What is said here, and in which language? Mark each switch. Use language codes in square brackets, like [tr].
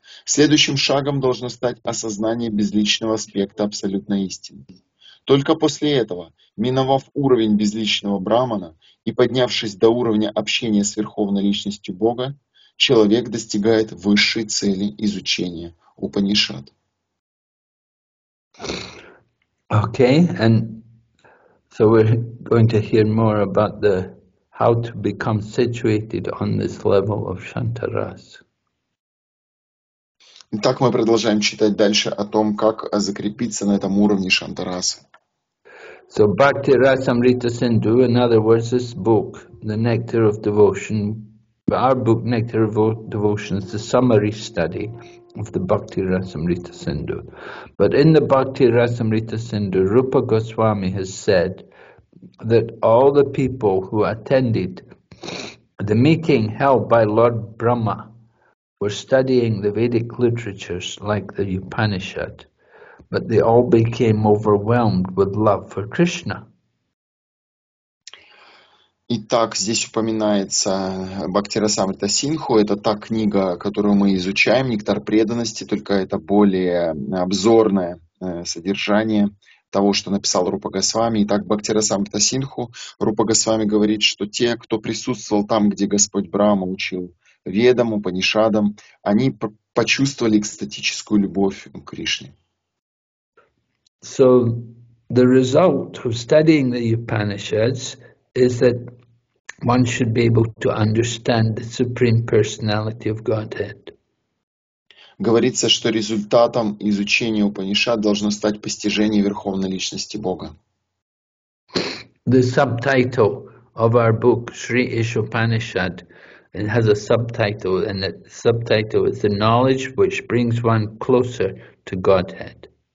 [ru] Следующим шагом должно стать осознание безличного аспекта абсолютной истины. Только после этого, миновав уровень безличного брахмана и поднявшись до уровня общения с Верховной Личностью Бога, человек достигает высшей цели изучения Упанишад. [en] Okay, and so we're going to hear more about the how to become situated on this level of Shantaras. [ru] Итак, мы продолжаем читать дальше о том, как закрепиться на этом уровне Шантараса. [en] So Bhakti Rasamrita Sindhu, in other words, this book, The Nectar of Devotion, our book Nectar of Devotion is the summary study of the Bhakti Rasamrita Sindhu. But in the Bhakti Rasamrita Sindhu, Rupa Goswami has said that all the people who attended the meeting held by Lord Brahma were studying the Vedic literatures like the Upanishad. But they all became overwhelmed with love for Krishna. [ru] Итак, здесь упоминается Бхакти Расамрита Сингху. Это та книга, которую мы изучаем, «Нектар преданности», только это более обзорное содержание того, что написал Рупа Госвами. Итак, Бхакти Расамрита Сингху, Рупа Госвами говорит, что те, кто присутствовал там, где Господь Брахма учил ведам, упанишадам, они почувствовали экстатическую любовь к Кришне. [en] So the result of studying the Upanishads is that one should be able to understand the Supreme Personality of Godhead. [ru] Говорится, что результатом изучения Упанишад должно стать постижение Верховной Личности Бога. [en] The subtitle of our book, Sri Isha Upanishad, it has a subtitle, and that subtitle is the knowledge which brings one closer to Godhead.